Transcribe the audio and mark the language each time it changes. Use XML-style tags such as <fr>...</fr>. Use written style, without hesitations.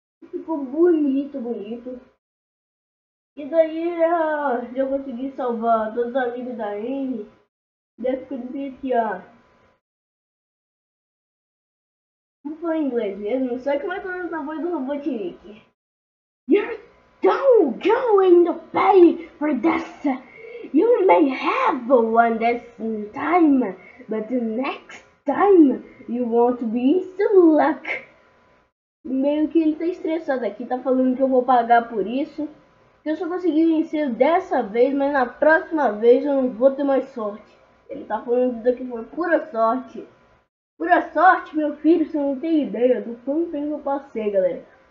<pt>Ficou bonito, bonito. E daí eu consegui salvar todos os amigos da Amy. Deve ficar de pitear. Vou falar inglês mesmo, só que mais ou menos na voz do Robotnik.</pt> <en>You're still going to pay for this. You may have one this time, but the next time you won't be so lucky.</en> <pt>Meio que ele tá estressado aqui, tá falando que eu vou pagar por isso. Que eu só consegui vencer dessa vez, mas na próxima vez eu não vou ter mais sorte. Ele tá falando que foi pura sorte. Pura sorte, meu filho, você não tem ideia do quanto tempo eu passei, galera.</pt>